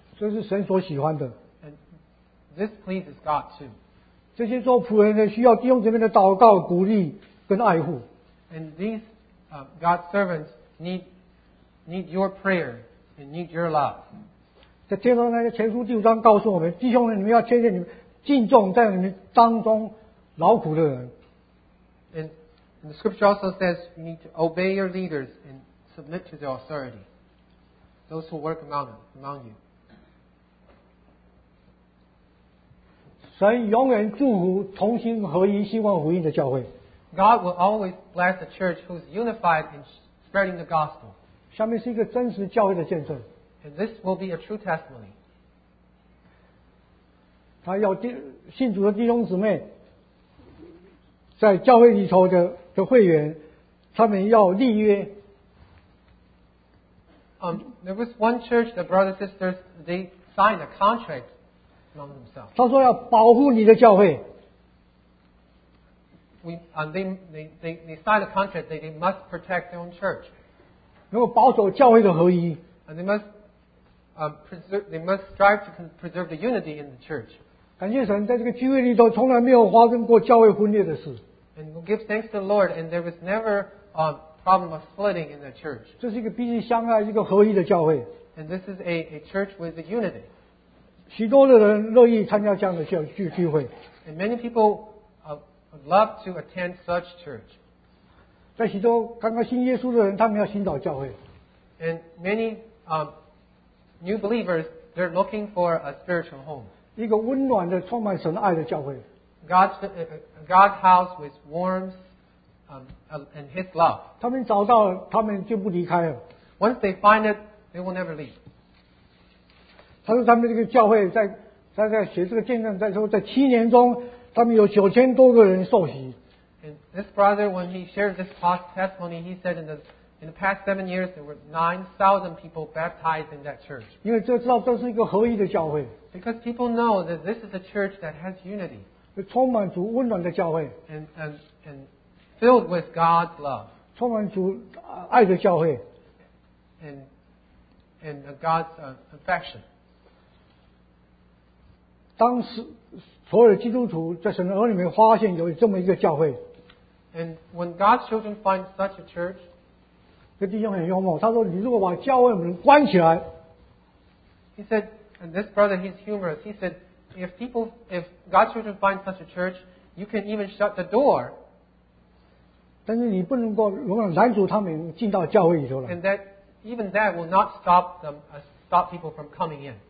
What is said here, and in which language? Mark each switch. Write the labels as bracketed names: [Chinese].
[Chinese] 这是神所喜欢的。 [English] And this pleases God too. [Chinese] 这些做仆人的需要弟兄姊妹的祷告、鼓励跟爱护。 [English] And these God's servants need your prayer and need your love. [Chinese] 在帖撒罗尼迦前书第五章告诉我们，弟兄们，你们要劝诫你们敬重在你们当中劳苦的人。 [English] And the scripture also says you need to obey your leaders and submit to their authority. Those who work among you. [Chinese] 神永远祝福同心合一、兴旺福音的教会。 [English] God will always bless a church who is unified in spreading the gospel. [Chinese] 下面是一个真实教会的见证。 [English] And this will be a true testimony. [Chinese] 他要信主的弟兄姊妹，在教会里头的会员，他们要立约。 [English] There was one church, the brothers and sisters, they signed a contract among themselves. [Chinese] 他说要保护你的教会。 [English] They signed a contract that they must protect their own church. [Chinese] 如果保守教会的合一。 [English] And they must strive to preserve the unity in the church. [Chinese] 感谢神，在这个聚会里头从来没有发生过教会分裂的事。 [English] And we give thanks to the Lord, and there was never a problem of splitting in the church. [Chinese] 这是一个彼此相爱、一个合一的教会。 [English] And this is a church with a unity. [Chinese] 许多的人乐意参加这样的聚会。 [English] And many people. I'd love to attend such church. [Chinese] 在许多刚刚信耶稣的人，他们要寻找教会。 [English] And many new believers, they're looking for a spiritual home. [Chinese] 一个温暖的、充满神爱的教会。 [English] God's house with warmth and His love. [Chinese] 他们找到了，他们就不离开了。 [English] Once they find it, they will never leave. [Chinese] 他说他们这个教会在写这个见证，在说在七年中。他们有九千多个人受洗。 [English] And this brother, when he shared this past testimony, he said in the past 7 years there were 9,000 people baptized in that church. [Chinese] 因为这知道这是一个合一的教会。 [English] Because people know that this is a church that has unity. [Chinese] 充满主温暖的教会。 [English] And filled with God's love. [Chinese] 充满主爱的教会。 [English] And God's affection. [Chinese] 当时。所有基督徒在神的儿女里面发现有这么一个教会。 [English] And when God's children find such a church, [Chinese] 这弟兄很幽默，他说：“你如果把教会门关起来 [English] ，”He said, and this brother he's humorous. He said, if God's children find such a church, you can even shut the door. [Chinese] 但是你不能够如果拦阻他们进到教会里头来。 [English] And that even that will not stop them stop people from coming in.